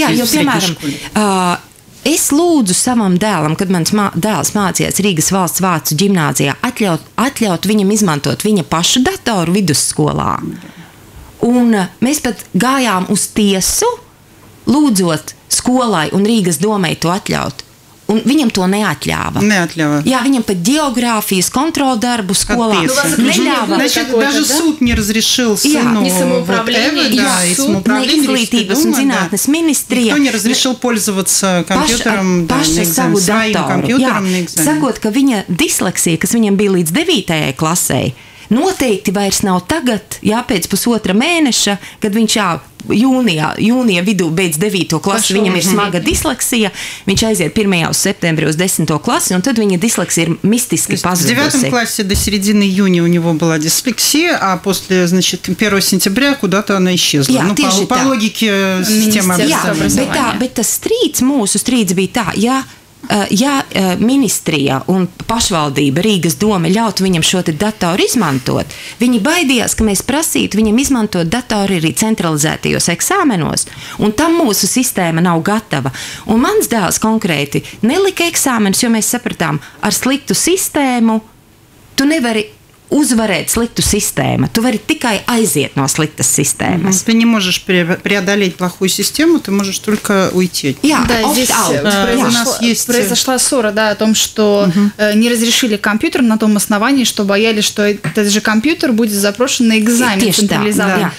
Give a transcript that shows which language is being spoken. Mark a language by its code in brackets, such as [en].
[lv] Jā, jo, piemēram, es lūdzu savam dēlam, kad mans dēls mācījās Rīgas valsts vācu ģimnāzijā, atļaut viņam izmantot viņa pašu datoru vidusskolā. Un mēs pat gājām uz tiesu, lūdzot skolai un Rīgas domai to atļaut. Un viņam to neatļāva. Neatļāva. Jā, viņam pat geogrāfijas kontroldarbu skolā neļāva. [ru] Значит, даже суд не разрешил сыну. Не самоуправление, да, и самоуправление [lv] изглитības un zinātnes ministrija. [ru] Никто не разрешил пользоваться компьютером, да, [lv] savu datoru. Sakot, ka viņa disleksija, kas viņam bija līdz 9. klasei, noteikti vairs nav tagad, jā, pēc pusotra mēneša, kad viņš jūnija vidū beidz 9. klasi, pašu, viņam ir smaga disleksija, viņš aiziet 1. uz septembri uz 10. klasi, un tad viņa disleksija ir mistiski pazudusi. 9. [ru] klasi do середины июня у него была дислексия, а после, значит, 1. сентября куда-то она исчезла. [lv] Jā, [ru] ну, [lv] tieši [ru] по логике системы образования. [lv] Bet tas strīds, mūsu strīds bija tā, ja ministrija un pašvaldība Rīgas doma ļaut viņam šo te datoru izmantot, viņi baidījās, ka mēs prasītu viņam izmantot datoru arī centralizētajos eksāmenos, un tam mūsu sistēma nav gatava. Un mans dēls konkrēti nelika eksāmenus, jo mēs sapratām, ar sliktu sistēmu tu nevari uzvarēt sliktu sistēmu. Tu vari tikai aiziet no sliktas sistēmas. [ru] Ты не можешь преодолеть плохую систему, ты можешь только уйти. Да, здесь произошла ссора, да, о том, что не разрешили компьютер на том основании, что боялись, что этот же компьютер будет запрошен на экзамен централизованный.